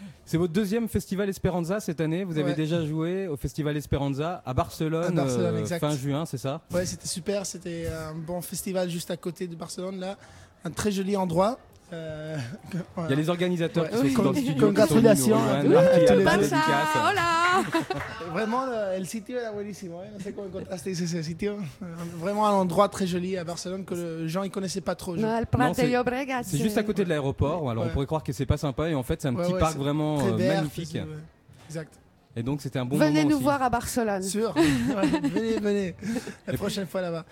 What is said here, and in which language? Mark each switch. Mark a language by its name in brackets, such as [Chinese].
[French] C'est votre deuxième festival Esperanza cette année. Vous avez déjà joué au festival Esperanza à Barcelone, fin juin, c'est ça? Ouais, c'était super. C'était un bon festival juste à côté de Barcelone, là. Un très joli endroit. Il y a les organisateurs qui sont dans le studio. [English] Congratulations! [French] Oui, bonne chance! [Spanish] Hola! [French] Vraiment, le [Spanish] sitio era buenísimo. No sé cómo encontraste ese sitio. [French] Vraiment un endroit très joli à Barcelone que les gens ne connaissaient pas trop. C'est juste à côté de l'aéroport. Alors on pourrait croire que c'est pas sympa. Et en fait, c'est un petit parc vraiment magnifique. Exact. Et donc, c'était un bon moment. Venez nous voir à Barcelone. Sûr. Venez. La prochaine fois là-bas.